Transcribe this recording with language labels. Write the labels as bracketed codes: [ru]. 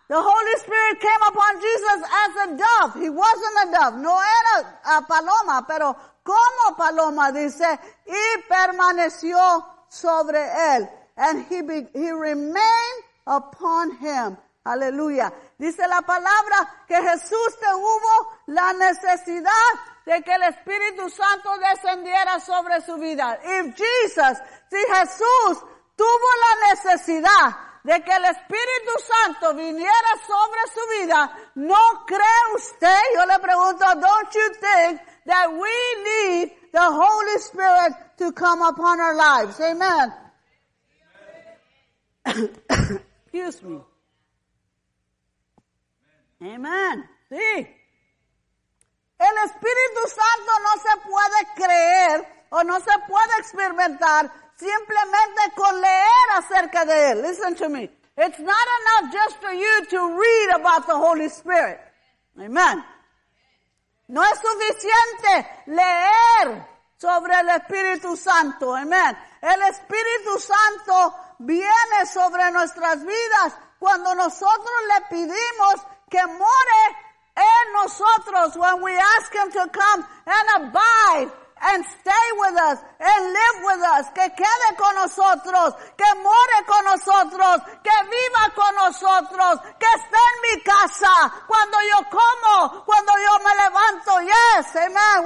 [en] The Holy Spirit came upon Jesus as a dove. He wasn't a dove. [es] No era a paloma, pero como paloma, dice, y permaneció sobre él. [en] And he remained upon him. Aleluya. [es] Dice la palabra que Jesús tuvo la necesidad de que el Espíritu Santo descendiera sobre su vida. Si Jesús tuvo la necesidad de que el Espíritu Santo viniera sobre su vida, ¿no cree usted? Yo le pregunto, [en] don't you think that we need the Holy Spirit to come upon our lives? Amen. Excuse me. [es] Amen. Sí. El Espíritu Santo no se puede creer o no se puede experimentar simplemente con leer acerca de él. [en] Listen to me. It's not enough just for you to read about the Holy Spirit. Amen. [es] No es suficiente leer sobre el Espíritu Santo. Amen. El Espíritu Santo viene sobre nuestras vidas cuando nosotros le pedimos que more en nosotros. [en] When we ask him to come and abide and stay with us and live with us. [es] Que quede con nosotros. Que more con nosotros. Que viva con nosotros. Que esté en mi casa. Cuando yo como. Cuando yo me levanto. [en] Yes, amen.